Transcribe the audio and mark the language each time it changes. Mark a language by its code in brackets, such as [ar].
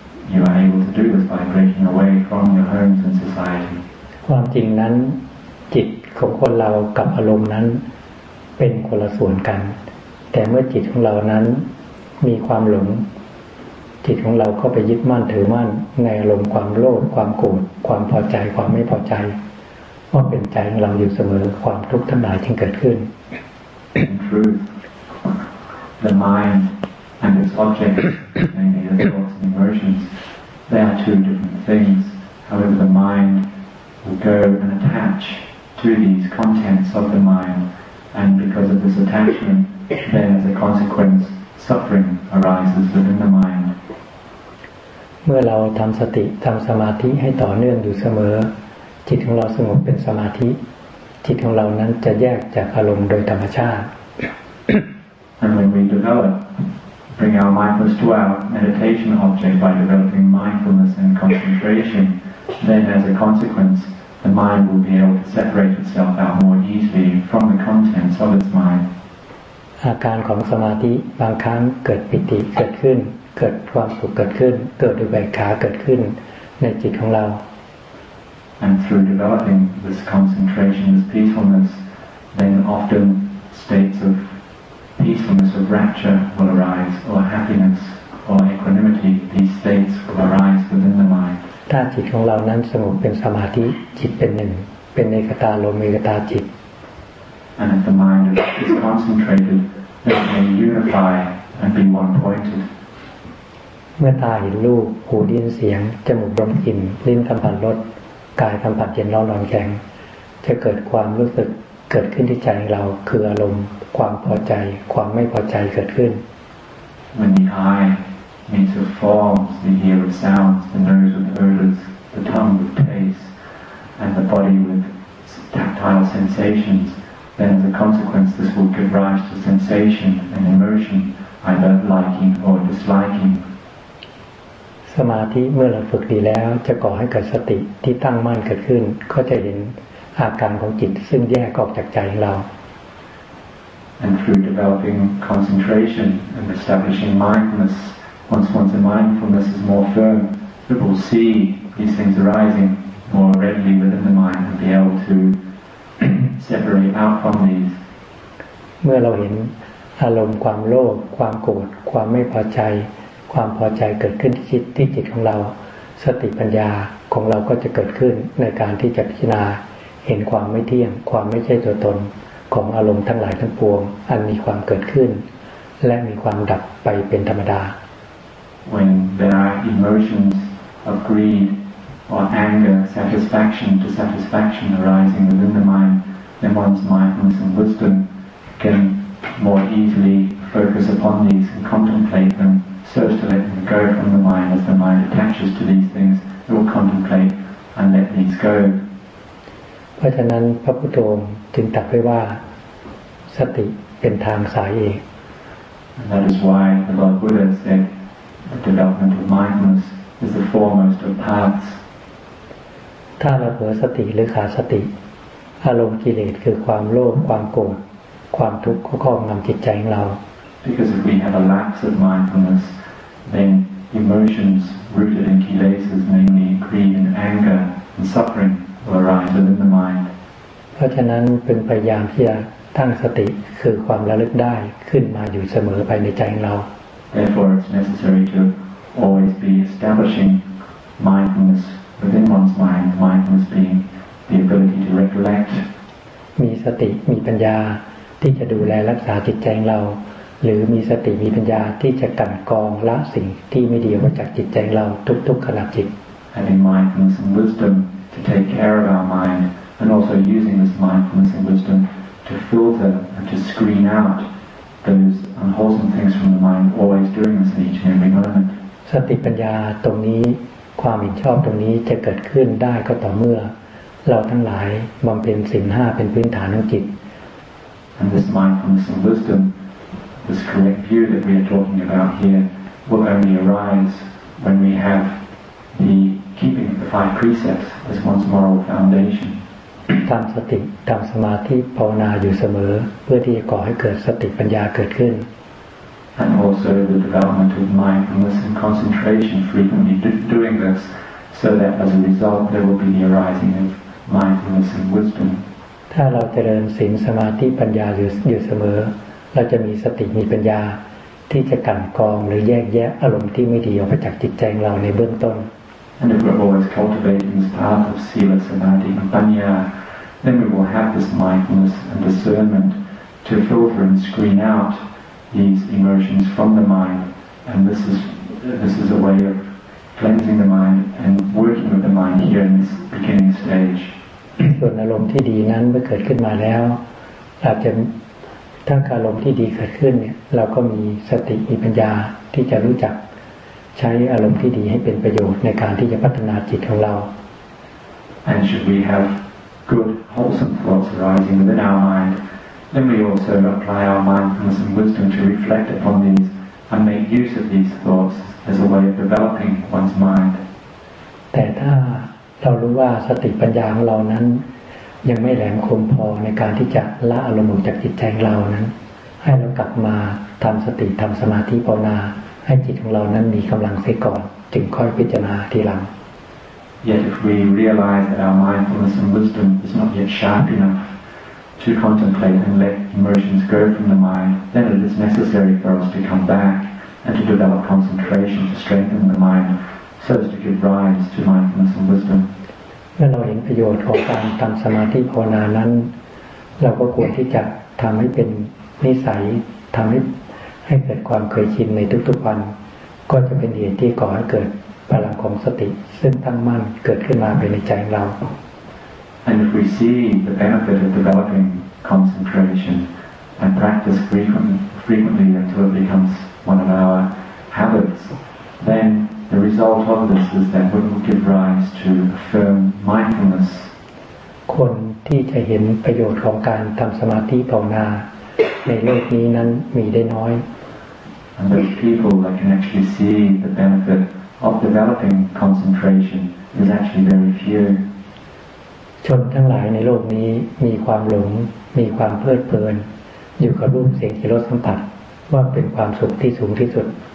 [en] You are able to do this by breaking away from your homes and society. [th] ความจริงนั้นจิตของคนเรากับอารมณ์นั้นเป็นคนละส่วนกันแต่เมื่อจิตของเรานั้นมีความหลงจิตของเราก็ไปยึดมั่นถือมั่นในอารมณ์ความโลภความโกรธความพอใจความไม่พอใจว่าเป็นใจของเราอยู่เสมอความทุกข์ทั้งหลายจึงเกิดขึ้น [en] In truth, the mind and its object namely the thoughts and emotions they are two different things however the mind will go and attach to these contents of the mind and because of this attachment then as a consequence suffering arises within the mind [th] เมื่อเราทำสติทำสมาธิให้ต่อเนื่องอยู่เสมอจิตของเราสงบเป็นสมาธิจิตของเรานั้นจะแยกจากอารมณ์โดยธรรมชาติ [en] and when we developBring our mindfulness to our meditation object by developing mindfulness and concentration. Then, as a consequence, the mind will be able to separate itself out more easily from the contents of its mind. [th] อาการของสมาธิบางครั้งเกิดปิติเกิดขึ้นเกิดความสุขเกิดขึ้นเกิดอุเบกขาเกิดขึ้นในจิตของเรา [en] And through developing this concentration, this peacefulness, then often states ofPeacefulness of rapture will arise, or happiness, or equanimity. These states will arise within the mind. [th] ถ้าจิตของเรานั้นสงบเป็นสมาธิจิตเป็นหนึ่งเป็นเอกตาโลมีกตาจิต [en] And if the mind is concentrated, it may unify and be one-pointed. [th] เมื่อตาเห็นรูปหูได้ยินเสียงจมูกดมกลิ่นลิ้นสัมผัสรสกายสัมผัสเย็นร้อนแข็งจะเกิดความรู้สึก กิดขึ้นที่ใจเราคืออารมณ์ความพอใจความไม่พอใจเกิดขึ้น [en] When the eye meets the forms, the ear with sounds, the nose with odors, the tongue with taste, and the body with tactile sensations, then as a consequence this will give rise to sensation and emotion, either liking or disliking [th] สมาธิเมื่อเราฝึกดีแล้วจะก่อให้เกิดสติที่ตั้งมั่นเกิดขึ้นก็จะเห็นอาการของจิตซึ่งแยกออกจากใจเรา [en] And through developing concentration and establishing mindfulness, once the mindfulness is more firm, we will see these things arising more readily within the mind and be able to separate out from these. [th] เมื่อเราเห็นอารมณ์ความโลภความโกรธความไม่พอใจความพอใจเกิดขึ้นที่จิตที่จิตของเราสติปัญญาของเราก็จะเกิดขึ้นในการที่จะพิจารณาเห็นความไม่เที่ยงความไม่ใช่ตัวตนของอารมณ์ทั้งหลายทั้งปวงอันมีความเกิดขึ้นและมีความดับไปเป็นธรรมดา [en] When there are emotions of greed or anger, satisfaction, dissatisfaction arising within the mind, then one's mindfulness and wisdom can more easily focus upon these and contemplate themSearch to let them go from the mind as the mind attaches to these things. It will contemplate and let these go. [th] เพราะฉะนั้นพระพุทโธจึงตรัสไว้ว่าสติเป็นทางสายเอก [en] And that is why the Lord Buddha said the development of mindfulness is the foremost of paths. [th] ถ้าเราเผลอสติหรือขาดสติอารมณ์กิเลสคือความโลภความโกรธความทุกข์ก็ครอบงำจิตใจของเรา [en] Because if we have a lapse of mindfulness, then emotions rooted in kilesas, namely greed and anger and suffering, will arise within the mind. [th] เพราะฉะนั้นเป็นพยายามที่จะตั้งสติคือความระลึกได้ขึ้นมาอยู่เสมอภายในใจเรา [en] Therefore, it's necessary to always be establishing mindfulness within one's mind. Mindfulness being the ability to recollect. [th] มีสติมีปัญญาที่จะดูแลรักษาจิตใจเราหรือมีสติมีปัญญาที่จะกั้นกองละสิ่งที่ไม่ดีออกจากจิตใจเราทุกๆขณะจิต [en] Having mindfulness and wisdom to take care of our mind and also using this mindfulness and wisdom to filter and to screen out those unwholesome things from the mind always doing this in each and every moment [th] สติปัญญาตรงนี้ความเห็นชอบตรงนี้จะเกิดขึ้นได้ก็ต่อเมื่อเราทั้งหลายบำเพ็ญศีล5เป็นพื้นฐานของจิต [en] And this mindfulness and wisdomThis correct view that we are talking about here will only arise when we have the keeping of the five precepts as one's moral foundation. [th] ทำสติทำสมาธิภาวนาอยู่เสมอเพื่อที่จะก่อให้เกิดสติปัญญาเกิดขึ้น [en] And also the development of mindfulness and concentration frequently doing this so that as a result there will be the arising of mindfulness and wisdom. [th] ถ้าเราเจริญศีลสมาธิปัญญาอยู่เสมอเราจะมีสติมีปัญญาที่จะกั้นกองหรือแยกแยะอารมณ์ที่ไม่ดีออกไปจากจิตใจของเราในเบื้องต้น [en] And if we're always cultivating this path of sila samadhi and panya, then we will have this mindfulness and discernment to filter and screen out these emotions from the mind. And this is a way of cleansing the mind and working with the mind here in this beginning stage. [th] ส่วนอารมณ์ที่ดีนั้นเมื่อเกิดขึ้นมาแล้วอาจจะถ้าอารมณ์ที่ดีเกิดขึ้นเนี่ยเราก็มีสติมีปัญญาที่จะรู้จักใช้อารมณ์ที่ดีให้เป็นประโยชน์ในการที่จะพัฒนาจิตของเรา [en] And should we have good wholesome thoughts arising within our mind then we also apply our mindfulness and wisdom to reflect upon these and make use of these thoughts as a way of developing one's mind [th] แต่ถ้าเรารู้ว่าสติปัญญาของเรานั้นยังไม่แหลมคมพอในการที่จะละอารมณ์จากจิตใจเรานั้นให้เรากลับมาทำสติทำสมาธิภาวนาให้จิตของเรานั้นมีกำลังเสียก่อนจึงค่อยพิจารณาทีหลัง [en] Yet if we realize that our mindfulness and wisdom is not yet sharp enough to contemplate and let emotions go from the mind, then it is necessary for us to come back and to develop concentration to strengthen the mind so as to give rise to mindfulness and wisdom [th] เมื่อเราเห็นประโยชน์ของการทำสมาธิภาวนานั้นเราก็ควรที่จะทำให้เป็นนิสัยทำให้เกิดความเคยชินในทุกๆวันก็จะเป็นเหตุที่ก่อให้เกิดพลังของสติซึ่งตั้งมั่นเกิดขึ้นมาในใจเรา [en] And if we see the benefit of developing concentration and practice frequently until it becomes one of our habits, then the result of this is that we will give rise to firm mindfulness. [th] คนที่จะเห็นประโยชน์ของการทำสมาธิภาวนาในโลกนี้นั้นมีได้น้อย [en] And the people that can actually see the benefit of developing concentration is actually very few. [th] ชนทั้งหลายในโลกนี้มีความหลงมีความเพลิดเพลินอยู่กับรูปเสียงกลิ่นรสสัมผัสว่าเป็นความสุขที่สูงที่สุด